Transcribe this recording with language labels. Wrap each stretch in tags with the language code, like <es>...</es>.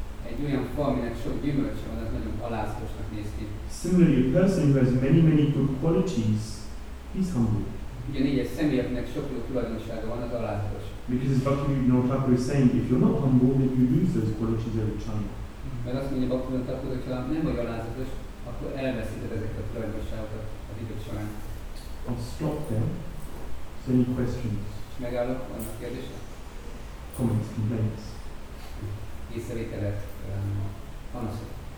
<hu>Egy olyan fa, aminek sok gyümölcse van, az nagyon alázatosnak néz ki.</hu> <en>Similarly, a person who has many, many good qualities, he's humble.</en> <hu>Ugyanígy egy személy, akinek sok jó tulajdonsága van, az alázatos.</hu> <en>Because as Bhaktivinoda Thakur is saying, if you're not humble, then you lose those qualities over time.</en> <hu>Mert azt mondja Bhaktivinoda Thakur, hogy ha nem vagy alázatos, akkor elveszíted ezeket a tulajdonságokat az idő során.</hu> <en>I'll stop there. So any questions?</en> <hu>És megállok, vannak kérdések?</hu> <en>Comments, complaints.</en> <hu>Észrevételet, panaszok.</hu>